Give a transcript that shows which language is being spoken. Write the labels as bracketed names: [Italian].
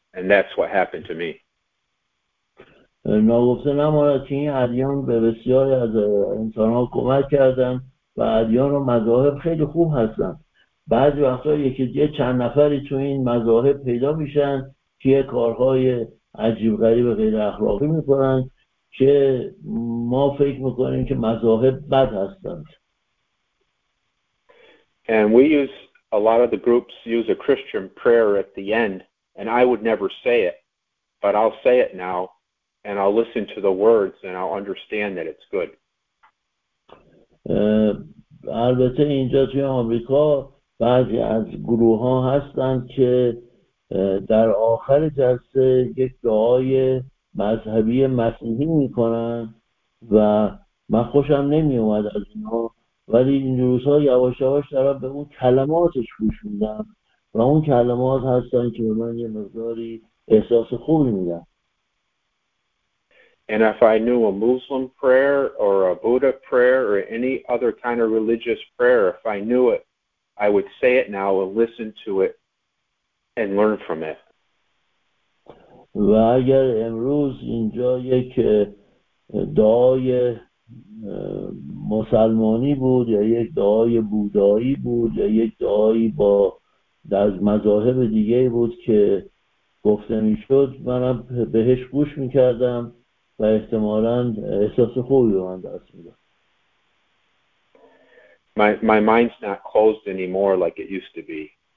[English] And that's what happened to me. [Persian] ناگفته نماند که این ادیان به بسیاری از انسان ها کمک کردن و ادیان و مذاهب خیلی خوب هستن. بعضی وقتا یکی چند نفری تو این مذاهب پیدا میشن که کارهای عجیب غریب و غیر اخلاقی میکنن که ما فکر میکنیم که مذاهب بد هستند. [English] And we use a lot of the groups use a Christian prayer at the end, and I would never say it, but I'll say it now, and I'll listen to the words, and I'll understand that it's good. [Persian] البته اینجا توی آمریکا بعضی از گروه ها هستند که در آخر جلسه یک دعای مذهبی مسیحی میکنن و من خوشم نمی اومد از اینا، ولی این روزها یواش یواش دارم به اون کلماتش گوش میدم و اون کلمات هستن که به من یه مقداری احساس خوبی میدن. [English] And if I knew a Muslim prayer or a Buddha prayer or any other kind of religious prayer, if I knew it, I would say it now and listen to it and learn from it. [Persian] و اگر امروز اینجا یک دعای مسلمانی بود یا یک دعای بودایی بود یا یک دعای با از مذاهب دیگه بود که گفته می شد، منم بهش گوش می کردم و احتمالاً احساس خوبی به من دست می داد. [English] My mind's not closed anymore like it used to be.